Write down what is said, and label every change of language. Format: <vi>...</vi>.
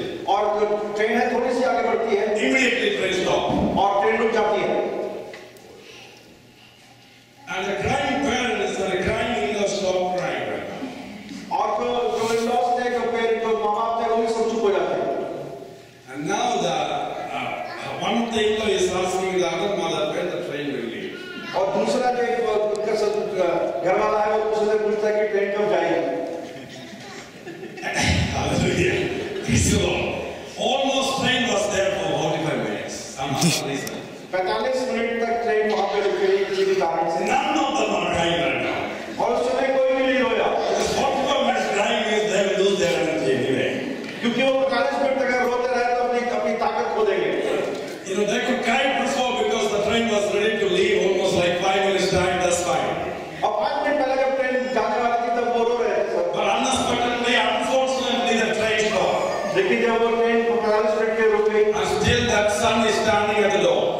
<hi>और ट्रेन है थोड़ी सी आगे बढ़ती है.</hi> <en>Immediately train stop.</en> <hi>और ट्रेन रुक जाती है.</hi> <en>And the crying parents and the crying in-laws stop crying right now.</en> <hi>और जो in-laws थे जो पेरेंट जो माँबाप थे वो भी सब चुप हो जाते हैं.</hi> <en>And now the one thing though is asking the other mother when the train will leave.</en> <hi>और दूसरा जो एक उनका सब घर वाला है वो उससे पूछता है कि ट्रेन कब जाएगी.</hi> <en>Hallelujah. Praise the Lord. Almost train was there for 45 minutes. Somehow, reason.</en> <hi>45 minute तक ट्रेन वहां पे रुकी थी किसी भी कारण से.</hi> <en>None of them are crying right now.</en> <hi>और उस समय कोई भी नहीं रोया.</hi> <en>Because 45 minutes crying is they will lose their energy anyway.</en> <hi>क्योंकि वो 45 मिनट तक अगर रोते रहे तो अपनी अपनी ताकत खो देंगे.</hi> <en>You know, they could cry before because the train was ready to leave almost like 5 minutes time, that's fine.</en> <hi>और 5 मिनट पहले जब ट्रेन जाने वाली थी तब वो रो रहे थे.</hi> <en>But unexpectedly, unfortunately, the train stopped.</en> <hi>लेकिन जब वो ट्रेन 45 मिनट के रुक गई.</hi> <en>And still that son is standing at the door.</en>